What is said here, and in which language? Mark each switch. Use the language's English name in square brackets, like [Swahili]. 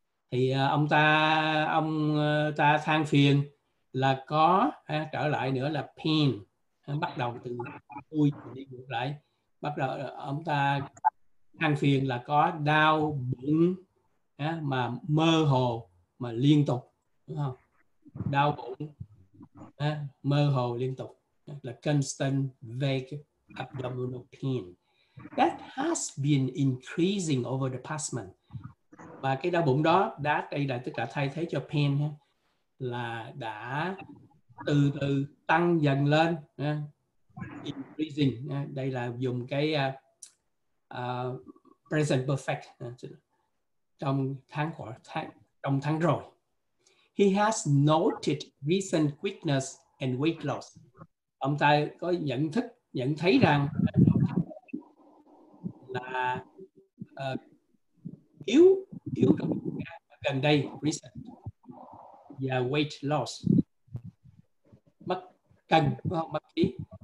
[Vietnamese] Thì ông ta than phiền là có, trở lại nữa là pain, bắt đầu từ vui đi ngược lại, bắt đầu ông ta than phiền là có đau bụng mà mơ hồ mà liên tục, đúng không? Đau bụng mơ hồ liên tục là [English] constant vague abdominal pain. That has been increasing over the past month. [Vietnamese] Và cái đau bụng đó, that đây là tất cả thay thế cho pain ha, là đã từ từ tăng dần lên. Increasing, đây là dùng cái present perfect trong tháng rồi. [English] He has noted recent weakness and weight loss. [Vietnamese] Ông ta có nhận thấy rằng là yếu trong gần đây, recent, và [English] weight loss, [Vietnamese] mất cân, mất ký.